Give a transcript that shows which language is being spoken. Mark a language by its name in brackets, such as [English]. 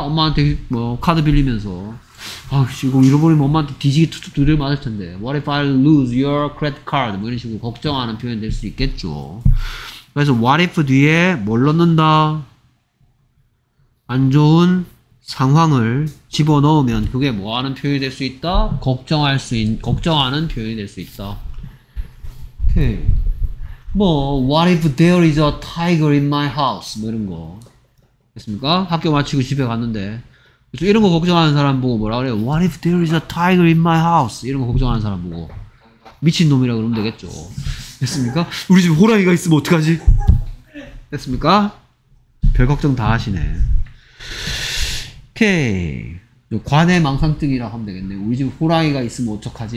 [Korean] 엄마한테 뭐 카드 빌리면서 아씨 이거 잃어버리면 엄마한테 뒤지게 툭툭 두드려 맞을 텐데 [English] what if I lose your credit card [Korean] 뭐 이런 식으로 걱정하는 표현 될 수 있겠죠. 그래서 what if 뒤에 뭘 넣는다? 안 좋은 상황을 집어넣으면 그게 뭐하는 표현이 될 수 있다? 걱정할 수 있, 걱정하는 표현이 될 수 있다. 오케이. [English] 뭐, what if there is a tiger in my house? [Korean] 뭐 이런 거. 됐습니까? 학교 마치고 집에 갔는데. 그래서 이런 거 걱정하는 사람 보고 뭐라 그래요? [English] What if there is a tiger in my house? [Korean] 이런 거 걱정하는 사람 보고. 미친놈이라 그러면 되겠죠. 됐습니까? 우리 집 호랑이가 있으면 어떡하지? 됐습니까? 별 걱정 다 하시네. 오케이. 관의 망상증이라고 하면 되겠네. 우리 집 호랑이가 있으면 어떡하지?